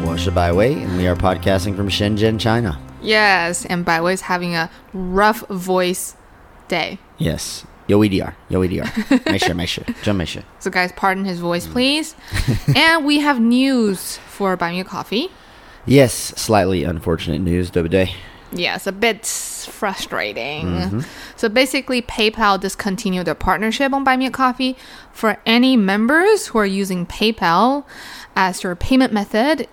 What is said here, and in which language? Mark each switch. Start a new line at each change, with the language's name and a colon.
Chinese: 我是百威，
English: and we are podcasting from Shenzhen, China. Yes, and 百威 is having a rough voice day.
Chinese: Yes, 有一点，有一点，没事，没事，真没事。
English: So guys, pardon his voice, please. And we have news for Buy Me a Coffee. Yes, slightly unfortunate news,
Chinese: 对不对？
English: Yes, a bit frustrating. Mm-hmm. So basically, PayPal discontinued their partnership on Buy Me a Coffee for any members who are using PayPal as your payment method.